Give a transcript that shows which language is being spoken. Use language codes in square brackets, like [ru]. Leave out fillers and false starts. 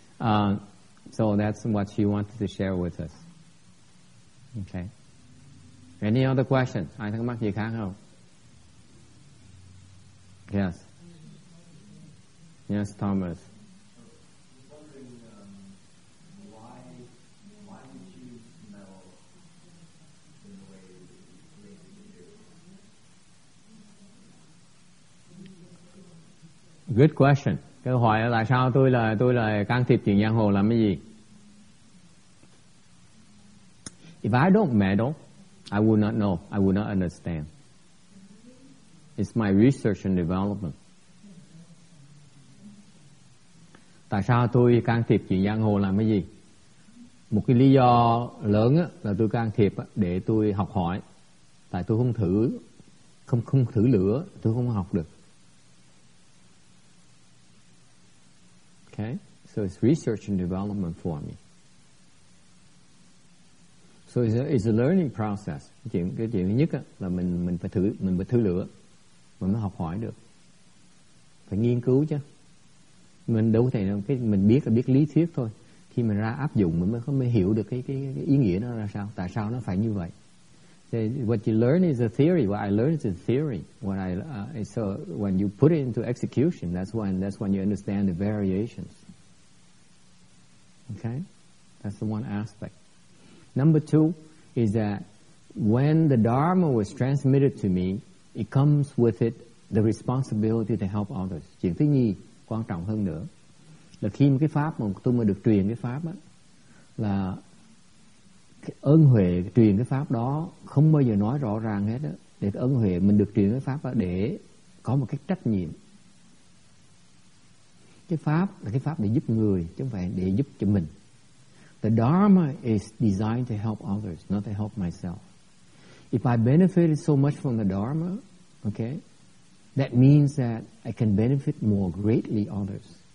[en] So that's what she wanted to share with us. Okay. Any other question? [vi] Ai thắc mắc gì khác không? [en] Yes. Yes, Thomas. Good question. [vi] Câu hỏi là tại sao tôi là can thiệp chuyện giang hồ làm cái gì? [en] If I don't meddle, I would not know. I would not understand. It's my research and development. [vi] Tại sao tôi can thiệp chuyện giang hồ làm cái gì? Một cái lý do lớn là tôi can thiệp để tôi học hỏi. Tại tôi không thử lửa, tôi không học được. [en] Okay, so it's research and development for me. So it's a learning process. [vi] Cái chuyện thứ nhất là mình phải thử lửa, mình mới học hỏi được, phải nghiên cứu chứ. Mình đâu có thể nào cái mình biết là biết lý thuyết thôi. Khi mình ra áp dụng mình mới hiểu được cái ý nghĩa nó là sao, tại sao nó phải như vậy. [en] So what you learn is a theory. What I learn is a theory. So when you put it into execution, that's when you understand the variations. Okay, that's the one aspect. Number two is that when the Dharma was transmitted to me, it comes with it the responsibility to help others. [vi] Chuyện thứ nhì quan trọng hơn nữa là khi cái pháp mà tôi mới được truyền cái pháp á, là cái ơn huệ truyền cái pháp đó không bao giờ nói rõ ràng hết á. Để cái ơn huệ mình được truyền cái pháp đó để có một cái trách nhiệm. Cái pháp là cái pháp để giúp người, chứ không phải để giúp cho mình. [en] The Dharma is designed to help others, not to help myself. If I benefited so much from the Dharma, okay, that means that I can benefit more greatly others.